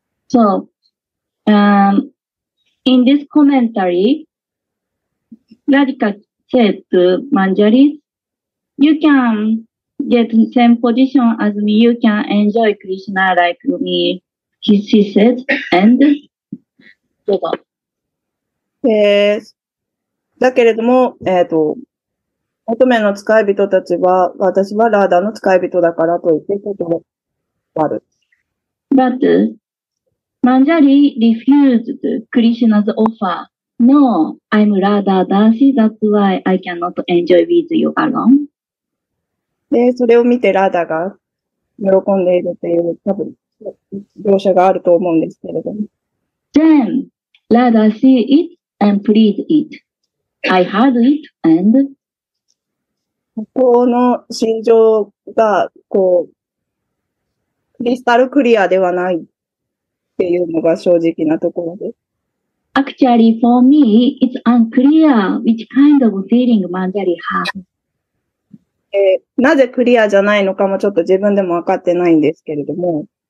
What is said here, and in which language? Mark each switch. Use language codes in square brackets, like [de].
[en] So, in this commentary, Radhika said to Manjari, you can get the same position as me, you can enjoy Krishna like me, she said, and, [ja] どうぞ。だけれども、乙女の使い人たちは、私はラーダの使い人だからと言って、ちょっと、 [en] But Manjari refused Krishna's offer. No, I'm Radha Dasi. That's why I cannot enjoy with you alone. [ja] で、それを見てラダが喜んでいるという多分描写があると思うんですけれども。 [en] Then Radha see it and please it. I heard it and [ja] ここの心情がこう。クリスタルクリアではないっていうのが正直なところです。 [en] Actually, for me, it's unclear which kind of feeling Manjari has. [ja] なぜクリアじゃないのかもちょっと自分でも分かってないんですけれども。